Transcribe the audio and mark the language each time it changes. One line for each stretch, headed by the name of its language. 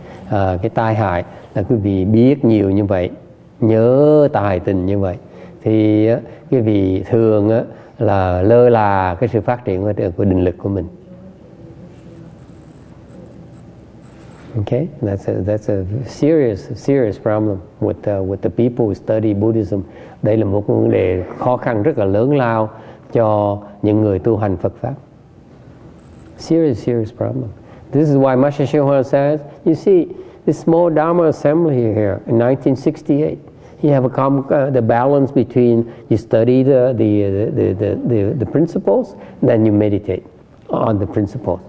Vietnamese: Cái tai hại là quý vị biết nhiều như vậy, nhớ tài tình như vậy, thì quý vị thường là lơ là cái sự phát triển của định lực của mình.
English: Okay, that's a serious problem with the people who study Buddhism.
Vietnamese: Đây là một vấn đề khó khăn rất là lớn lao cho những người tu hành Phật pháp.
English: Serious problem. This is why Master Shihua says, you see, this small Dharma assembly here in 1968, you have the balance between you study the principles, then you meditate on the principles.